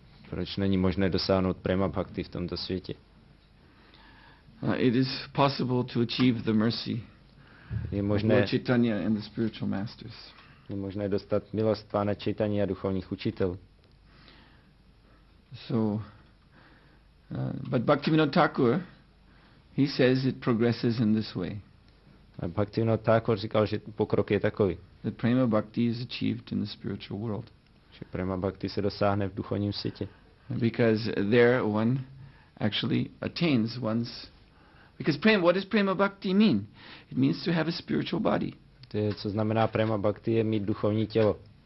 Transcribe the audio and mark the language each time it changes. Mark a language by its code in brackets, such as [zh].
[cs] Proč není možné dosáhnout prema bhakti v tomto světě? [en] It is possible to achieve the mercy. [cs] Je možné [en] Lord Chaitanya and the spiritual masters. [cs] Je možné dostat milost Pána Chaitanya a duchovních učitelů. [en] So but Bhaktivinoda Thakur, he says it progresses in this way. [cs] A Bhaktivinoda Thakur říkal, že pokrok je takový. [en] That prema bhakti is achieved in the spiritual world. [cs] Že prema bhakti se dosáhne v duchovním světě. [en] Because there one actually attains one's. Because prema, what does prema bhakti mean? It means to have a spiritual body. [cs] To je, co znamená prema bhakti, je mít duchovní tělo.